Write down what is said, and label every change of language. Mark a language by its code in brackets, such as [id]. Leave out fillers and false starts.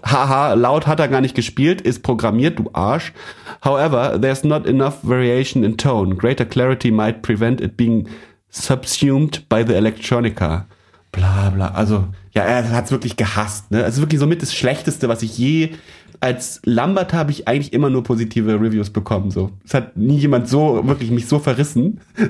[de] Haha, loud hat er gar nicht gespielt, ist programmiert, du Arsch. [en] However, there's not enough variation in tone. Greater clarity might prevent it being subsumed by the electronica. [de] Bla bla. Also, ja, er hat es wirklich gehasst, ne? Also wirklich somit das Schlechteste, was ich je. Als Lambert habe ich eigentlich immer nur positive Reviews bekommen. So. Es hat nie jemand so wirklich mich so verrissen.